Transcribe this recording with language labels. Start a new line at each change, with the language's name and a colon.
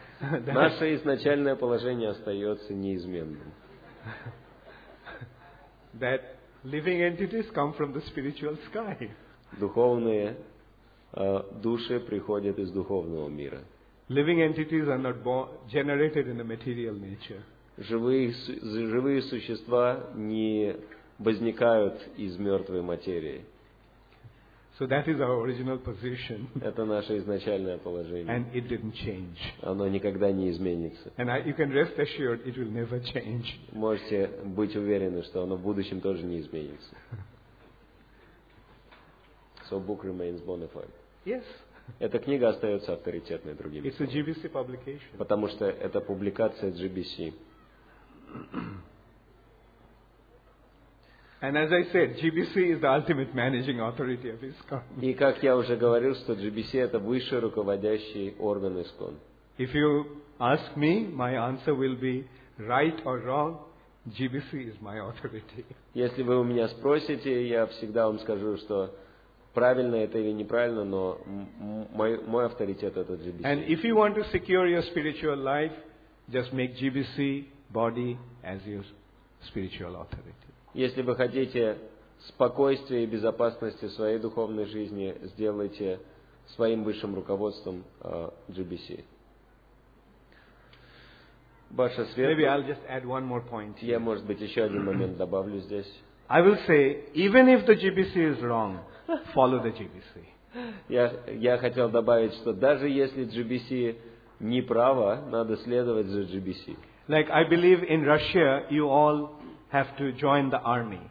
Russian: Наше изначальное положение остается неизменным.
English: That living entities come from the spiritual sky.
Russian: Духовные души приходят из духовного мира.
English: Living entities are not generated in the material nature.
Russian: Живые существа не возникают из мертвой материи.
English: So that is our original position.
Russian: Это наше изначальное положение.
English: And it didn't change.
Russian: Оно никогда не изменится.
English: And you can rest assured it will never change.
Russian: Можете быть уверены, что оно в будущем тоже не изменится.
English: So book remains bona fide. Yes.
Russian: Эта книга остается авторитетной другими.
English: It's a GBC publication.
Russian: Потому что это публикация GBC.
English: And as I said, GBC is the ultimate managing authority of ISKCON.
Russian: И как я уже говорил, что GBC это высший руководящий орган ИСКОН.
English: If you ask me, my answer will be right or wrong. GBC is my authority.
Russian: Если вы у меня спросите, я всегда вам скажу, что правильно это или неправильно, но мой авторитет это GBC.
English: And if you want to secure your spiritual life, just make GBC body as your spiritual authority.
Russian: Если вы хотите спокойствия и безопасности своей духовной жизни, сделайте своим высшим руководством GBC. Ваша Светлость. Я, может быть, еще один момент добавлю здесь.
English: I will say, even if the GBC is wrong, follow the GBC.
Russian: Я хотел добавить, что даже если GBC не право, надо следовать за GBC.
English: Like I believe in Russia, you all have to join the army.